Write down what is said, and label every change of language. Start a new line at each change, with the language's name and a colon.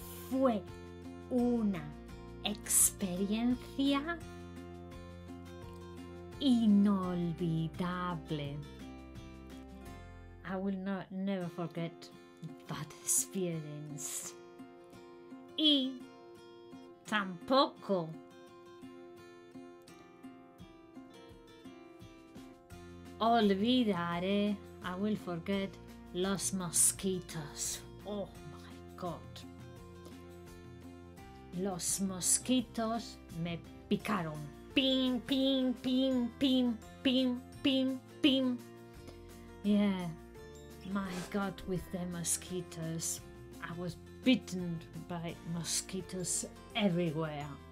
Spanish: Fue una experiencia inolvidable.
English: I will never forget that experience.
Spanish: y tampoco. Olvidaré,
English: I will forget,
Spanish: los mosquitos.
English: Oh my God.
Spanish: Los mosquitos me picaron. Ping, ping, ping, ping, ping, ping, ping.
English: Yeah, my God, with the mosquitos. I was bitten by mosquitos everywhere.